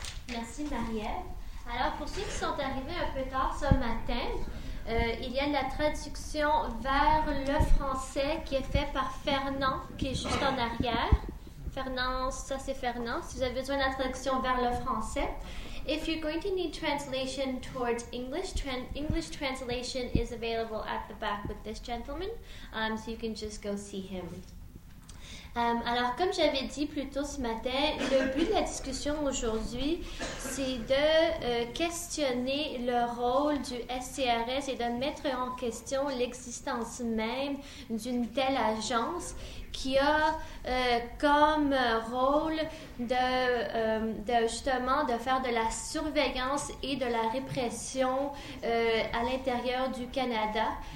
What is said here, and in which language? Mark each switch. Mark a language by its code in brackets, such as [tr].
[fr] Merci, Marie-Ève. Alors, pour ceux qui sont arrivés un peu tard ce matin, il y a de la traduction vers le français qui est faite par Fernand, qui est juste en arrière. Fernand, ça c'est Fernand, si vous avez besoin de la traduction vers le français. [en] If you're going to need translation towards English, English translation is available at the back with this gentleman, so you can just go see him. [fr] Alors, comme j'avais dit plus tôt ce matin, le but de la discussion aujourd'hui, c'est de questionner le rôle du SCRS et de mettre en question l'existence même d'une telle agence qui a comme rôle de justement de faire de la surveillance et de la répression à l'intérieur du Canada.